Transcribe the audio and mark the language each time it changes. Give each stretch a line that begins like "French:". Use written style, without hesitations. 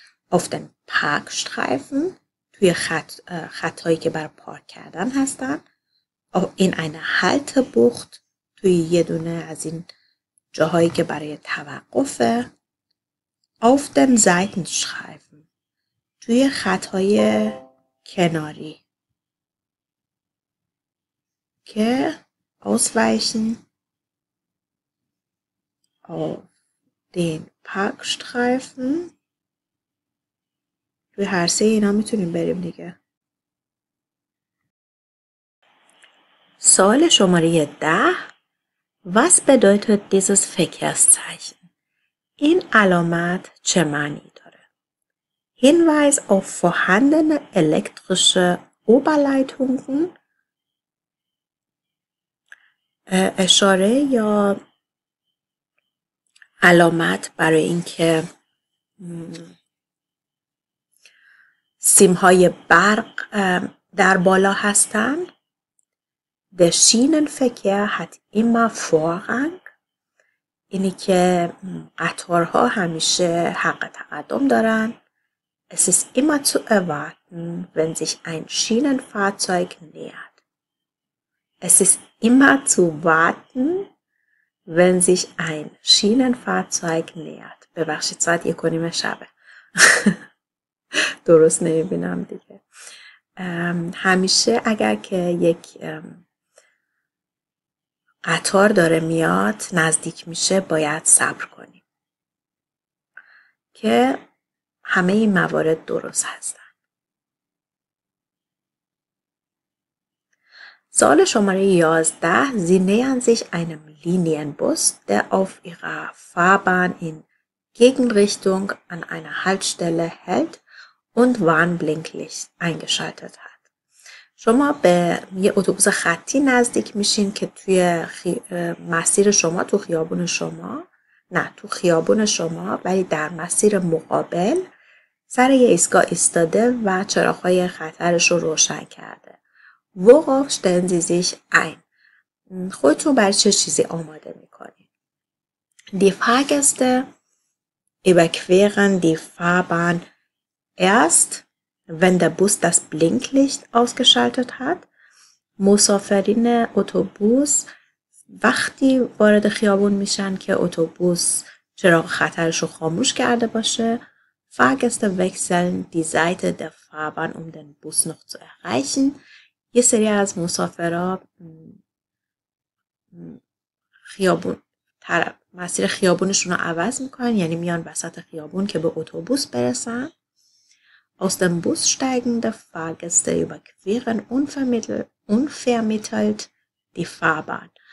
German: Auf den Parkstreifen،
Persian: توی خطایی که بر پارک کردن هستن.
German: In eine Haltebucht،
Persian: توی یه دونه از این جاهایی که برای توقفه.
German: Auf den Seitenstreifen،
Persian: توی خطای کناری.
German: که ausweichen auf den Parkstreifen.
Persian: روی هر سه اینا میتونیم بریم دیگه. سوال شماره 10،
German: was bedeutet dieses Verkehrszeichen؟
Persian: این علامت چه معنی داره؟
German: Hinweis auf vorhandene elektrische Oberleitungen،
Persian: اشاره یا علامت برای اینکه سیم‌های برق در بالا هستن.
German: Der Schienenverkehr hat immer Vorrang،
Persian: اینی که قطارها همیشه حق تقدم دارن.
German: Es ist immer zu erwarten, wenn sich ein Schienenfahrzeug nähert. Es ist immer zu warten, wenn sich ein Schienenfahrzeug nähert.
Persian: ببخشید ساعت یک و نیمه شبه. درست نمیبینم دیگه. همیشه اگر که یک قطار داره میاد، نزدیک میشه، باید صبر کنیم. که همه این موارد درست هستن. سوال شماره 11،
German: Sie nähern sich einem Linienbus، der auf ihrer Fahrbahn in Gegenrichtung an einer Haltestelle hält und Warnblinklicht eingeschaltet hat.
Persian: شما به یه اتوبوس خطی نزدیک میشین که توی مسیر شما، تو خیابون شما، نه تو خیابون شما ولی در مسیر مقابل سر یه ایستگاه ایستاده و چراغ‌های خطرش رو روشن کرده.
German: Worauf stellen Sie sich ein؟
Persian: خودتون برای چه چیزی آماده میکنید؟
German: Die Fahrgäste überqueren die Fahrbahn erst wenn der Bus das Blinklicht ausgeschaltet hat.
Persian: مسافرین اتوبوس وقتی وارد خیابون میشن که اتوبوس چراغ خطرش رو خاموش کرده باشه.
German: Fahrgäste wechseln die Seite der Fahrbahn, um den Bus noch zu erreichen.
Persian: یه سری از مسافرها خیابون طرف مسیر خیابونشون رو عوض میکنن، یعنی میان وسط خیابون که به اتوبوس برسن.
German: Aus dem Bus steigende Fahrgäste überqueren unvermittelt die Fahrbahn.